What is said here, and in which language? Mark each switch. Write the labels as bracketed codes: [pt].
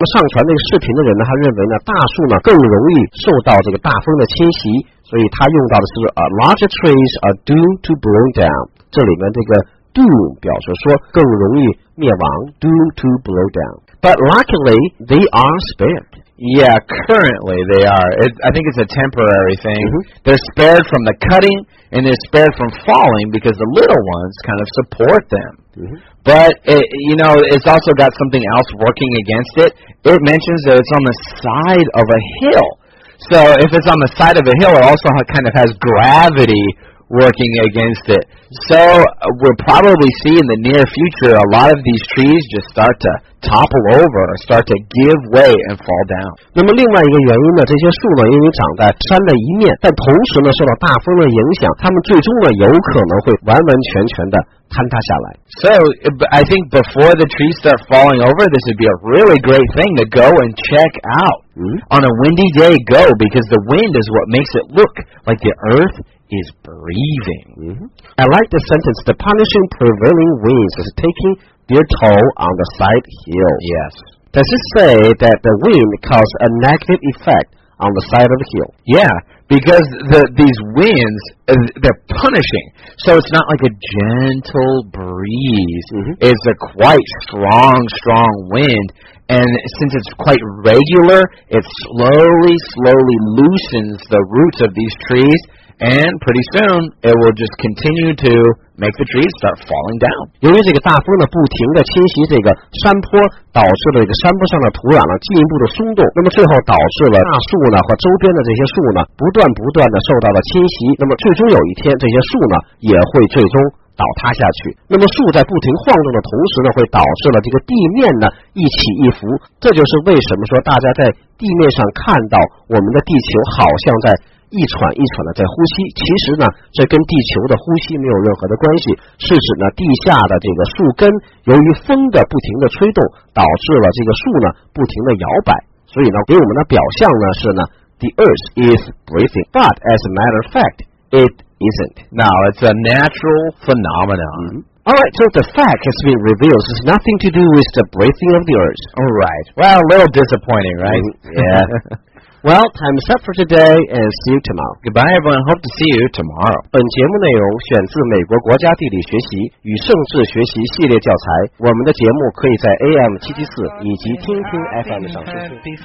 [zh] 上传那个视频的人呢，他认为呢，大树呢更容易受到这个大风的侵袭，所以他用到的是 [en] larger trees are doomed to blow down. [zh] 这里面这个 doom 表示说更容易灭亡 ， [en] doomed to blow down. But luckily, they are spared. Yeah, currently they are. I think it's a temporary thing.、 Mm-hmm. They're spared from the cutting, and they're spared from falling because the little ones kind of support them.、 Mm-hmm. But, you know, it's also got something else working against it. It mentions that it's on the side of a hill. So if it's on the side of a hill, it also kind of has gravity working against it. So we'll probably see in the near future a lot of these trees just start to... topple over, start to give way and fall down. [zh] 那么另外一个原因呢，这些树呢，因为长在山的一面，但同时呢受到大风的影响，它们最终呢有可能会完完全全的坍塌下来。 [en] So I think before the trees start falling over, this would be a really great thing to go and check out.、 Mm-hmm. On a windy day, go because the wind is what makes it look like the earth is breathing.、 Mm-hmm. I like the sentence, the punishing prevailing winds is takingyour toll on the side hill. Yes. Does it say that the wind caused a negative effect on the side of the hill? Yeah, because these winds, they're punishing. So it's not like a gentle breeze.、 Mm-hmm. It's a quite strong, strong wind. And since it's quite regular, it slowly, slowly loosens the roots of these trees. And pretty soon, it will just continue to... make the trees start falling down. [zh] 由于这个大风呢不停地侵袭这个山坡，导致了这个山坡上的土壤呢进一步的松动，那么最后导致了大树呢和周边的这些树呢不断不断地受到了侵袭，那么最终有一天这些树呢也会最终倒塌下去，那么树在不停晃动的同时呢会导致了这个地面呢一起一伏，这就是为什么说大家在地面上看到我们的地球好像在一喘一喘的在呼吸，其实呢这跟地球的呼吸没有任何的关系，是指呢地下的这个树根由于风的不停的吹动导致了这个树呢不停的摇摆，所以呢给我们的表象呢是呢 [en] the earth is breathing, but as a matter of fact it isn't. Now it's a natural phenomenon.、 Mm-hmm. Alright, so the fact has been revealed. It's nothing to do with the breathing of the earth. Alright. Well, a little disappointing, right? Yeah. Well, time's up for today, and see you tomorrow. Goodbye, everyone. Hope to see you tomorrow. [zh] 本节目内容选自美国国家地理学习与盛世学习系列教材。我们的节目可以在 AM774 以及听听 FM 上收听。